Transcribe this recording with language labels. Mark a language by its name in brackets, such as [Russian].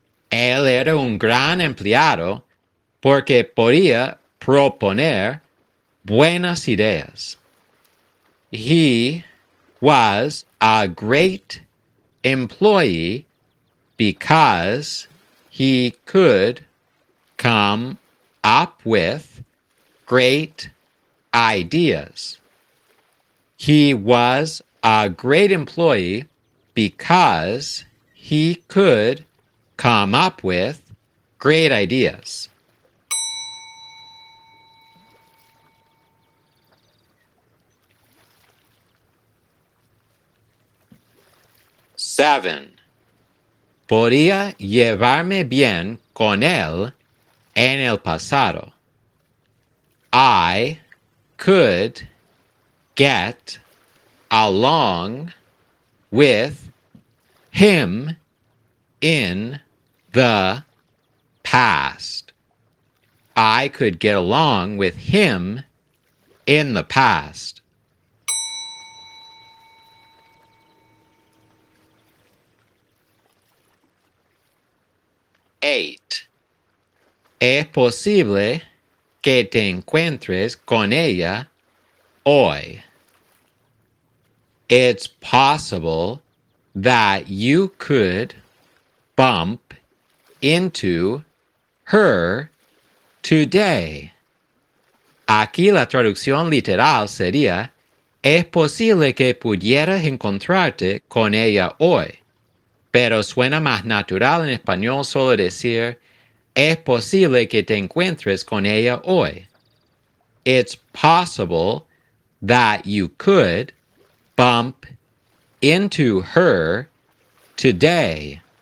[Spanish] Él era un gran empleado porque podía proponer buenas ideas. [English] He was a great employee because he could come up with great ideas. He was a great employee because he could come up with great ideas. Seven. [Spanish] Podía llevarme bien con él en el pasado. [English] I could get along with him in the past. I could get along with him in the past. Eight. [Spanish] Es posible que te encuentres con ella hoy. [English] It's possible that you could bump into her today. [Spanish] Aquí la traducción literal sería, es posible que pudieras encontrarte con ella hoy. Pero suena más natural en español solo decir, es posible que te encuentres con ella hoy. [English] It's possible that you could bump into her today.